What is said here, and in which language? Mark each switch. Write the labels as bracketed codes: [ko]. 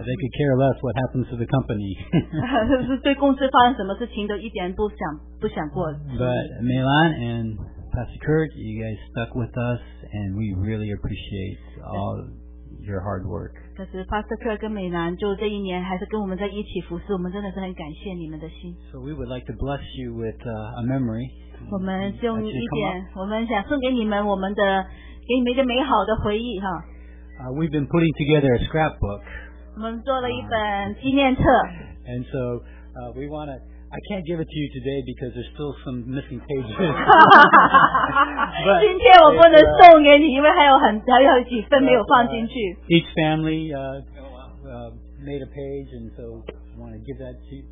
[en] They could care less what happens to the company. [zh] 对公司发生什么事情都一点不想过。 [en] But Milan and Pastor Kurt, you guys stuck with us, and we really appreciate all your hard work. [zh] 可是 Pastor Kurt跟美兰就这一年还是跟我们在一起服侍，我们真的是很感谢你们的心。 [en] So we would like to bless you with a memory. [zh] 我们用一点，我们想送给你们我们的，给你们一个美好的回忆哈。 [en] We've been putting together a scrapbook. And so we want to, I can't give it to you today because there's still some missing pages. Each family made a page, and so we want to give that to you.